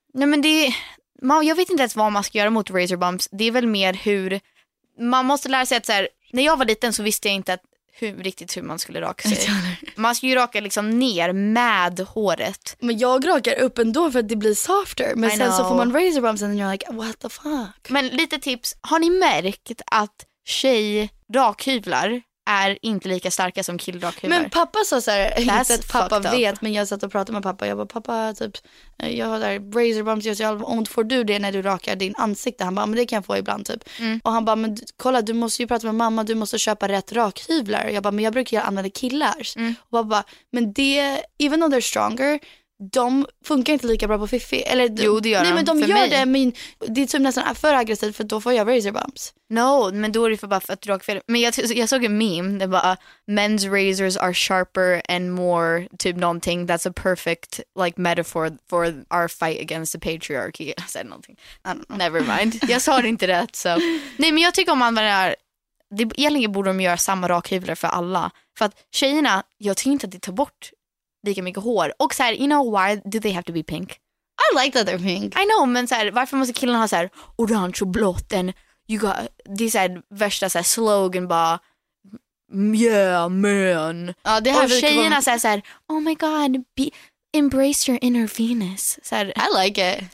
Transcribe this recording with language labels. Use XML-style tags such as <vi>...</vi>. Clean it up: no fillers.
<sv>Nej, men det är, jag vet inte ens vad man ska göra mot razor bumps. Det är väl mer hur man måste lära sig att så här, när jag var liten så visste jag inte att hur man skulle raka sig. Man ska ju raka liksom ner med håret. Men jag rakar upp ändå för att det blir softer.</sv> <en>Men I sen know.</en> <sv>Så får man</sv> <en>razor bumps and then you're like, what the fuck?</en> <sv>Men lite tips. Har ni märkt att tjej rakhyvlar är inte lika starka som killrakhyvlar? Men pappa sa så här, that's inte att pappa vet, men jag satt och pratade med pappa. Jag bara, pappa, typ, jag har där razor bumps, jag säger, om får du det när du rakar din ansikte? Han bara, men det kan jag få ibland, typ. Mm. Och han bara, men kolla, du måste ju prata med mamma, du måste köpa rätt rakhyvlar. Jag bara, men jag brukar ju använda killars. Mm. Och pappa bara, men det,</sv> <en>even though they're stronger,</en> <sv>de funkar inte lika bra på Fifi. Eller, jo, det gör nej, de. Men de gör det, men det är typ nästan för aggressivt, för då får jag razor bumps. No, men då är det för bara för att dra fel. Men jag såg en meme, det bara</sv> <en>men's razors are sharper and more</en> <sv>typ någonting,</sv> <en>that's a perfect like metaphor for our fight against the patriarchy. I said nothing. I don't know. Never mind.</en> <sv>Jag sa inte rätt, så. Nej, men jag tycker om man är, det egentligen borde de göra samma rakhyvlar för alla. För att tjejerna, jag tycker inte att det tar bort lika mycket hår. Och så här,</sv> <en>you know, why do they have to be pink? I like that they're pink. I know,</en> <sv>men så här, varför måste killen ha så här orange och blått,</sv> <en>and you got this</en> <sv>här värsta så här slogan bara,</sv> <en>yeah, man.</en> <sv>Ja, det här, och tjejerna säger så här,</sv> <en>oh my god, embrace your inner Venus.</en> <sv>Så här,</sv> <en>I like it.</en>